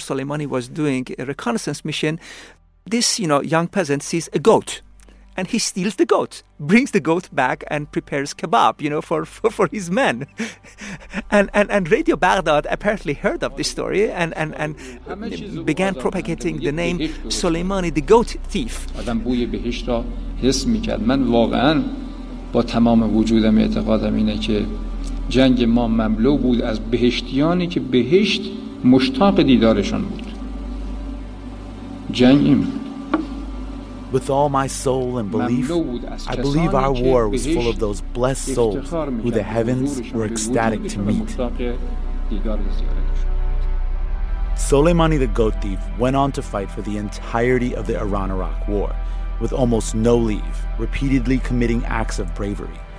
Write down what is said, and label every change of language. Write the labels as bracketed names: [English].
[English] Soleimani was doing a reconnaissance mission, this, you know, young peasant sees a goat. And he steals the goat, brings the goat back and prepares kebab, you know, for his men. And Radio Baghdad apparently heard of this story and began propagating the name Soleimani the goat thief. [Persian] آدم بوی بهشت را حس می‌کرد. من واقعاً با تمام وجودم اعتقادم اینه که جنگ ما مملو بود از بهشتیانی که بهشت مشتاق دیدارشان بود. جنگ این [English] With all my soul and belief, I believe our war was full of those blessed souls who the heavens were ecstatic to meet. Soleimani the Goat Thief went on to fight for the entirety of the Iran-Iraq War, with almost no leave, repeatedly committing acts of bravery.